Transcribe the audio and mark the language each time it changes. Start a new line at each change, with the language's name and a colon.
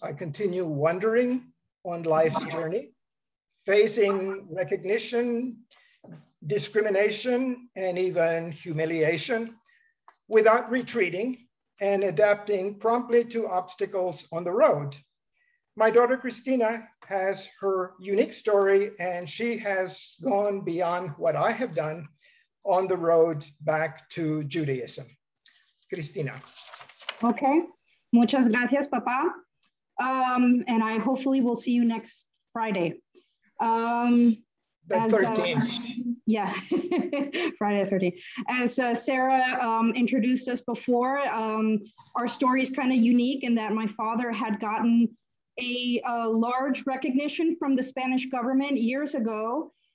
English: I continue wandering on life's journey, facing recognition, discrimination, and even humiliation without retreating and adapting promptly to obstacles on the road. My daughter Christina has her unique story, and she has gone beyond what I have done on the road back to Judaism. Christina.
Spanish: Okay, muchas gracias, papa.
English: And I hopefully will see you next Friday. The 13th. Yeah, Friday the 13th. As Sarah introduced us before, our story is kind of unique in that my father had gotten a large recognition from the Spanish government years ago.